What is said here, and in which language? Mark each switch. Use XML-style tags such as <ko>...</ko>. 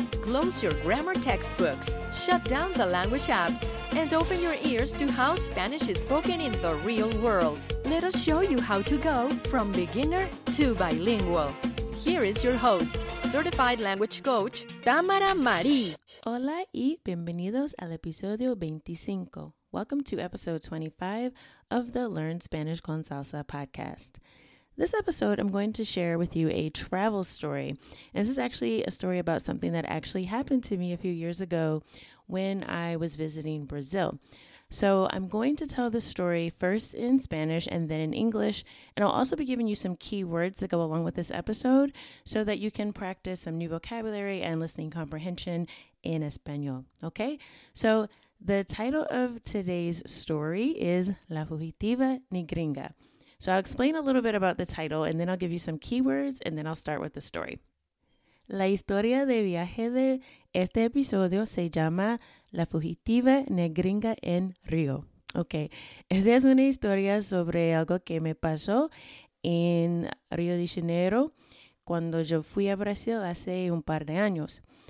<en>Close your grammar textbooks, shut down the language apps, and open your ears to how Spanish is spoken in the real world. let us show you how to go from beginner to bilingual. Here is your host, Certified Language Coach, Tamara Marie.</en> <es>Hola y bienvenidos al episodio 25.</es> <en>Welcome to episode 25 of the Learn Spanish con Salsa podcast. This episode, I'm going to share with you a travel story. And this is actually a story about something that actually happened to me a few years ago when I was visiting Brazil. So I'm going to tell the story first in Spanish and then in English. And I'll also be giving you some key words that go along with this episode so that you can practice some new vocabulary and listening comprehension in Espanol. Okay? So the title of today's story is La Fugitiva Ni Gringa. So I'll explain a little bit about the title, and then I'll give you some keywords, and then I'll start with the story.</en> <es>La historia de viaje de este episodio se llama La Fugitiva Negringa en Río. Ok, esta es una historia sobre algo que me pasó en Río de Janeiro cuando yo fui a Brasil hace un par de años.</es>